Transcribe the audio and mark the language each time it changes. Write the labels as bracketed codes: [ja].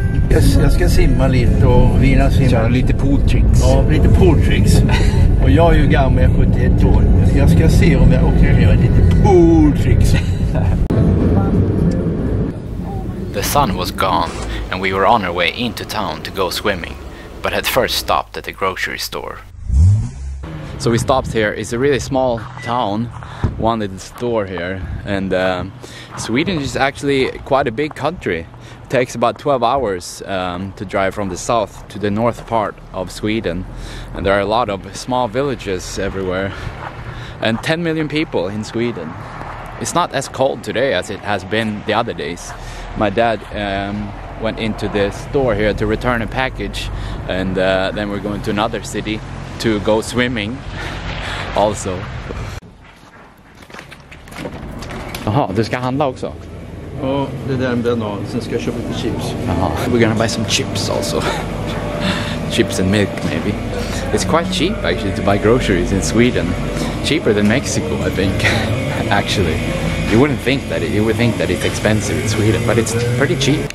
[sv] Yes, jag ska simma lite och vina simma. Kör lite pool tricks. Ja, lite pool tricks. Och jag är ju gammal, jag är 71 år. Jag ska se om jag åker och gör lite pool tricks. [en] The sun was gone and we were on our way into town to go swimming, but had first stopped at the grocery store. So we stopped here. It's a really small town, one little store here, and Sweden is actually quite a big country. It takes about 12 hours to drive from the south to the north part of Sweden, and there are a lot of small villages everywhere, and 10 million people in Sweden. It's not as cold today as it has been the other days. My dad went into the store here to return a package, and then we're going to another city to go swimming also. [sv] Aha, du ska handla också? Ja, det där med banan, sen ska jag köpa lite chips. [en] Aha, we're gonna buy some chips also. Chips and milk maybe. It's quite cheap actually to buy groceries in Sweden. Cheaper than Mexico, I think, actually. You wouldn't think that it, you would think that it's expensive in Sweden, but it's pretty cheap.